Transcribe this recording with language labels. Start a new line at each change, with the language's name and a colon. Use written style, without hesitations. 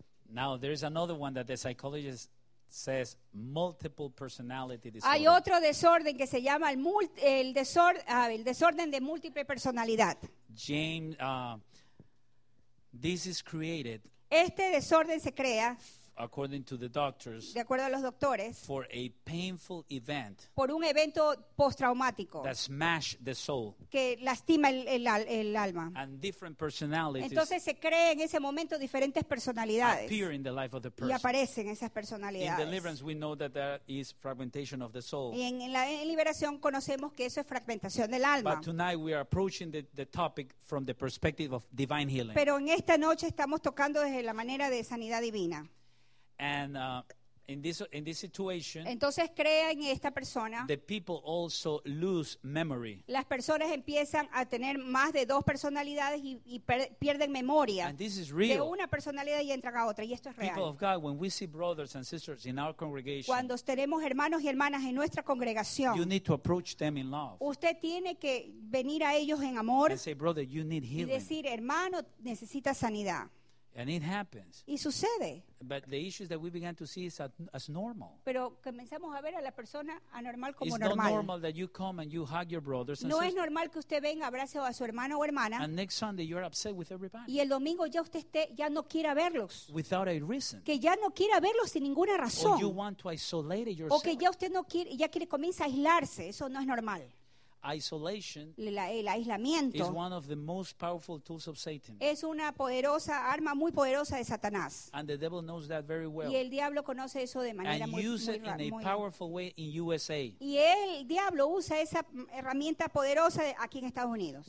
English: Now there's another one that the psychologist says multiple personality disorder.
Spanish: Hay otro desorden que se llama el desorden de múltiple personalidad.
English: James, this is created.
Spanish: Este desorden se crea.
English: According to the doctors,
Spanish: de acuerdo a los doctores,
English: for a painful event,
Spanish: por un evento postraumático,
English: that smash the soul,
Spanish: que lastima el alma,
English: and different personalities,
Spanish: entonces se cree en ese momento diferentes personalidades,
English: appear in the life of the person,
Spanish: y aparecen esas personalidades.
English: In deliverance, we know that there is fragmentation of the soul.
Spanish: Y en liberación conocemos que eso es fragmentación del alma.
English: But tonight we are approaching the topic from the perspective of divine healing.
Spanish: Pero en esta noche estamos tocando desde la manera de sanidad divina.
English: And in this situation,
Spanish: entonces crea en esta persona,
English: the people also lose memory.
Spanish: Las personas empiezan a tener más de dos personalidades y pierden memoria.
English: And this is real.
Spanish: De una personalidad y entran a otra, y esto es real.
English: People of God, when we see brothers and sisters in our congregation,
Spanish: cuando tenemos hermanos y hermanas en nuestra congregación,
English: you need to approach them in love.
Spanish: Usted tiene que venir a ellos en amor.
English: And say, brother, you need healing.
Spanish: Y decir, hermano, necesita sanidad.
English: And it happens.
Spanish: Y sucede.
English: But the issues that we began to see is as normal.
Spanish: Pero comenzamos a ver a la persona anormal como
English: it's It's not normal that you come and you hug your brothers and
Spanish: no
English: sisters.
Spanish: No es normal que usted venga, abrace a su hermano o hermana.
English: And next Sunday you're upset with everybody.
Spanish: Y el domingo ya usted esté, ya no quiera verlos.
English: Without a reason.
Spanish: Que ya no quiera verlos sin ninguna razón.
English: Or you want to isolate yourself.
Spanish: O que ya usted no quiere, ya quiere comienza a aislarse. Eso no es normal.
English: Isolation,
Spanish: el aislamiento,
English: is one of the most powerful tools of Satan.
Spanish: Es una poderosa arma, muy poderosa de Satanás.
English: And the devil knows that very well.
Spanish: Y el diablo conoce eso de manera
English: and
Spanish: muy,
English: use it
Spanish: muy,
English: in
Spanish: muy
English: a powerful way in USA.
Spanish: Y el diablo usa esa herramienta poderosa aquí en Estados Unidos.